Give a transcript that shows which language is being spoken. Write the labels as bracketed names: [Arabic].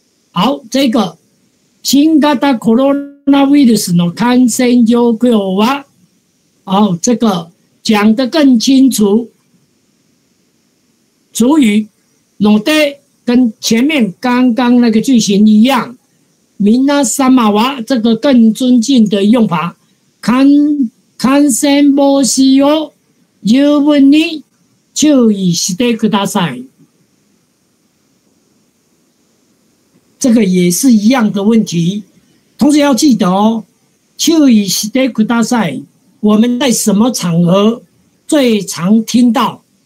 [Chinese] 好，这个新型コロナウイルスの感染状況は，好，这个讲得更清楚。主语诺得跟前面刚刚那个句型一样。 [Japanese] みなさまは这个更尊敬的用法，感染防止を十分に注意してください。 [Chinese] 这个也是一样的问题，同时要记得哦，注意してください。我们在什么场合最常听到？